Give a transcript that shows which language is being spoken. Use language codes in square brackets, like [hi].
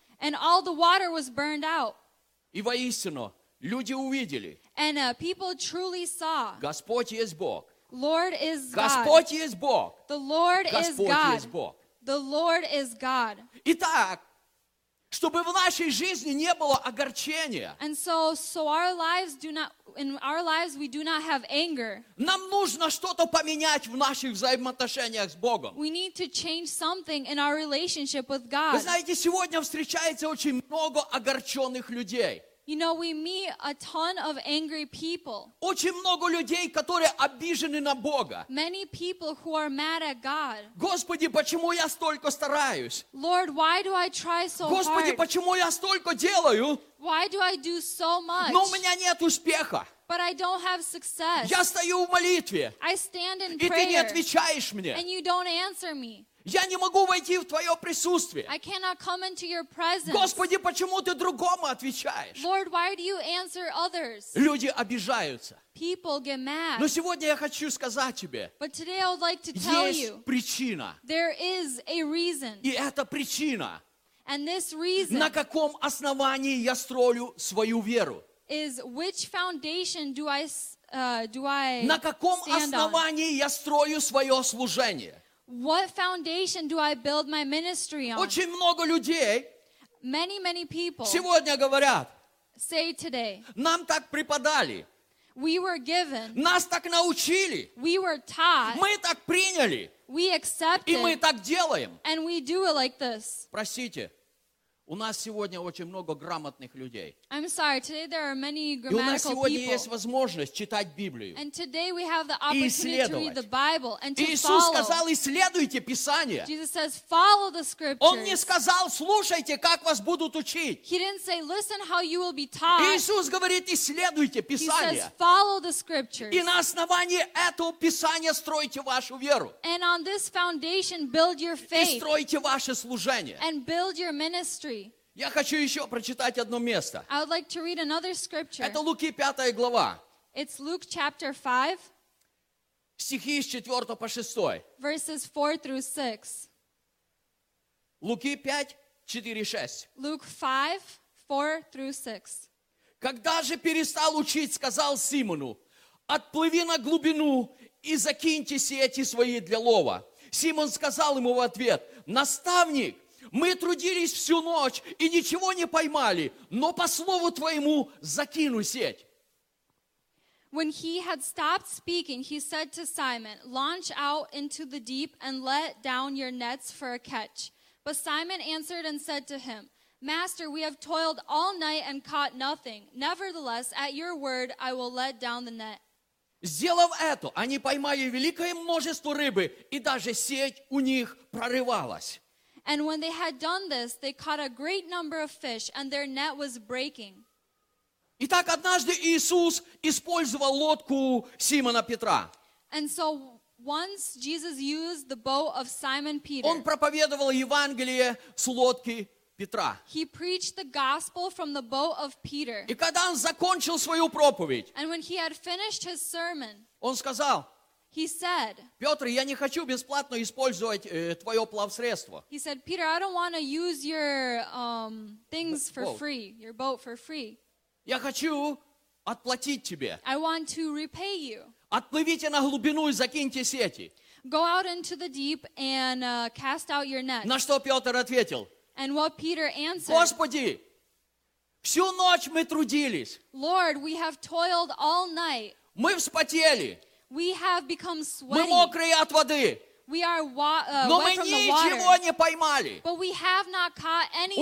[en] And all the water was burned out. [ru] И воистину, люди увидели. [en] And people truly saw. [ru] Господь есть Бог. [en] Lord is God. [ru] Господь есть Бог. [en] The Lord is God. [ru] Господь есть Бог. [en] The Lord is God. [ru] Итак, чтобы в нашей жизни не было огорчения. [en] And so our lives do not in our lives we do not have anger. [ru] Нам нужно что-то поменять в наших взаимоотношениях с Богом. [en] We need to change something in our relationship with God. [ru] Вы знаете, сегодня встречается очень много огорченных людей. [en] You know, we meet a ton of angry people. [ru] Очень много людей, которые обижены на Бога. [en] Many people who are mad at God. [ru] Господи, почему я столько стараюсь? [en] Lord, why do I try so hard? [ru] Господи, почему я столько делаю? [en] Why do I do so much? [ru] Но у меня нет успеха. [en] But I don't have success. [ru] Я стою в молитве. [en] I stand in prayer. [ru] И ты не отвечаешь мне. [en] And you don't answer me. [ru] Я не могу войти в Твое присутствие. [en] I cannot come into your presence. [ru] Господи, почему Ты другому отвечаешь? [en] Lord, why do you answer others? [ru] Люди обижаются. [en] People get mad. [ru] Но сегодня я хочу сказать тебе, [en] But today I would like to tell [ru] есть [en] you, [ru] причина. [en] There is a reason. [ru] И это причина, [en] And this reason [ru] на каком основании я строю свою веру. [en] Is which foundation do I [ru] на каком [en] stand [ru] основании [en] on? [ru] Я строю свое служение. [en] What foundation do I build my ministry on? [ru] Очень много людей [en] many, many people [ru] сегодня говорят, [en] say today, [ru] нам так преподали, [en] we were given, [ru] нас так научили, [en] we were taught, [ru] мы так приняли, [en] we accepted, [ru] и мы так делаем. [en] And we do it like this. [ru] Простите, У нас сегодня очень много грамотных людей. [en] I'm sorry, today there are many grammatical people. [ru] И у нас сегодня [en] people. [ru] Есть возможность читать Библию. [en] And today we have the opportunity to read the Bible and to [ru] Иисус [en] follow. [ru] Сказал, исследуйте Писание. [en] Jesus says, follow the scriptures. [ru] Он не сказал, слушайте, как вас будут учить. [en] He didn't say, listen how you will be taught. [ru] Иисус говорит, исследуйте Писание. [en] He says, follow the scriptures. [ru] И на основании этого Писания стройте вашу веру. [en] And on this foundation, build your faith. [ru] И стройте ваше служение. [en] And build your ministry. [ru] Я хочу еще прочитать одно место. [en] I would like to read another scripture. [ru] Это Луки 5 глава. [en] It's Luke chapter 5. [ru] Стихи с 4 по 6. [en] Verses 4 through 6. [ru] Луки 5, 4, 6. [en] Luke 5, 4 through 6. [ru] Когда же перестал учить, сказал Симону, отплыви на глубину и закиньте сети свои для лова. Симон сказал ему в ответ, наставник, мы трудились всю ночь и ничего не поймали, но по слову твоему закину сеть. [en] When he had stopped speaking, he said to Simon, launch out into the deep and let down your nets for a catch. But Simon answered and said to him, Master, we have toiled all night and caught nothing. Nevertheless, at your word, I will let down the net. [ru] Сделав это, они поймали великое множество рыбы, и даже сеть у них прорывалась. [en] And when they had done this, they caught a great number of fish, and their net was breaking. [ru] Итак, однажды Иисус использовал лодку Симона Петра. [en] And so once Jesus used the boat of Simon Peter. [ru] Он проповедовал Евангелие с лодки Петра. [en] He preached the gospel from the boat of Peter. [ru] И когда он закончил свою проповедь, [en] and when he had finished his sermon, [ru] он сказал, [en] he said, [ru] Петр, я не хочу бесплатно использовать твое плавсредство. [en] He said, Peter, I don't want to use your things for free, your boat for free. [ru] Я хочу отплатить тебе. [en] I want to repay you. [ru] Отплывите на глубину и закиньте сети. [en] Go out into the deep and cast out your nets. [ru] На что Петр ответил? [en] And what Peter answered, [ru] Господи, всю ночь мы трудились. [en] Lord, we have toiled all night. [ru] Мы вспотели. [en] We have become sweaty. [ru] Мы мокрые от воды. [en] We are [ru] Но мы ничего не поймали. [en] But we have not caught anything.